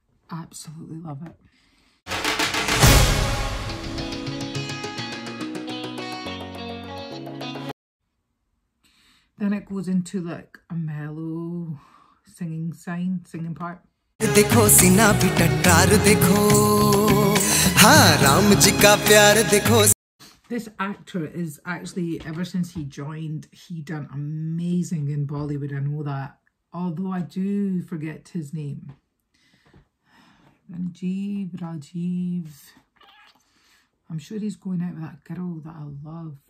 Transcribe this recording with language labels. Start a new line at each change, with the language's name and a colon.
English: Absolutely love it. Then it goes into like a mellow singing part.
Hindi: देखो सीना भी टट्टार देखो हाँ राम जी का प्यार देखो.
English: This actor is actually, ever since he joined, he done amazing in Bollywood. I know that, although I do forget his name. Rajiv. I'm sure he's going out with that girl that I love.